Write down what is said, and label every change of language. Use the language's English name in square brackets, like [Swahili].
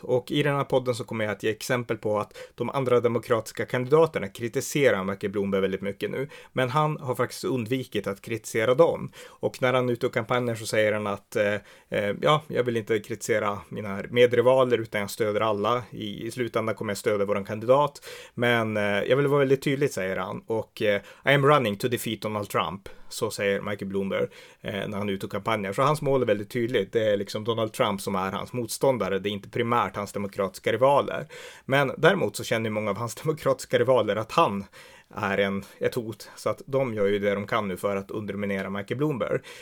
[Swedish] Och i den här podden så kommer jag att ge exempel på att de andra demokratiska kandidaterna kritiserar Michael Bloomberg väldigt mycket nu. Men han har faktiskt undvikit att kritisera dem. Och när han är ute och kampanjer så säger han att ja, jag vill inte kritisera mina medrivaler utan jag stöder alla. I slutändan kommer jag stödja vår kandidat. Men jag vill vara väldigt tydlig, säger han. Och [English] I am running to defeat Donald Trump. [Swedish] Så säger Michael Bloomberg när han är ute och kampanjer. Så hans mål är väldigt tydligt. Det är liksom Donald Trump som är hans motståndare. Det är inte primärt hans demokratiska rivaler. Men däremot så känner ju många av hans demokratiska rivaler att han är ett hot. Så att de gör ju det de kan nu för att underminera Michael Bloomberg.